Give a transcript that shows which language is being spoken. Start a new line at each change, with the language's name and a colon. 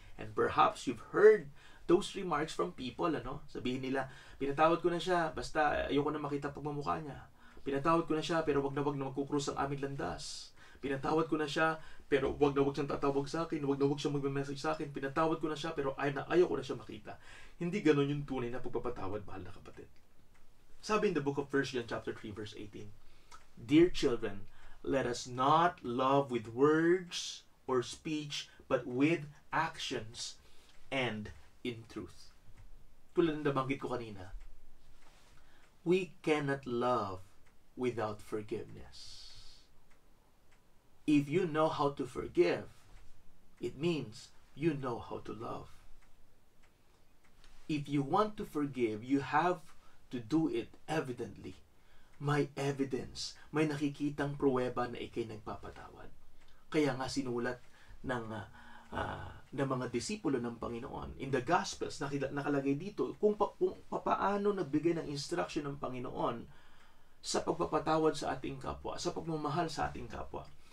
English: And perhaps you've heard those remarks from people, ano?
Filipino: Sabihin nila, pinatawad ko na siya, basta ayoko na makita pag mamukha niya. Pinatawad ko na siya, pero wag na magkukrus ang aming landas. Pinatawad ko na siya, pero wag na siyang tatawag sa akin, wag na siyang magme-message sa akin. Pinatawad ko na siya, pero ayoko na siya makita. Hindi ganun yung tunay na pagpapatawad, mahal na kapatid.
English: Sabi in the book of 1 John chapter 3, verse 18, "Dear children, let us not love with words or speech, but with actions and in truth."
Filipino: Tulad ng nabanggit ko kanina,
English: we cannot love without forgiveness. If you know how to forgive, it means you know how to love. If you want to forgive, you have to do it evidently.
Filipino: May evidence, may nakikitang pruweba na ikay nagpapatawad. Kaya nga sinulat ng mga disipulo ng Panginoon in the Gospels, nakalagay dito kung paano nagbigay ng instruction ng Panginoon sa pagpapatawad sa ating kapwa, sa pagmamahal sa ating kapwa.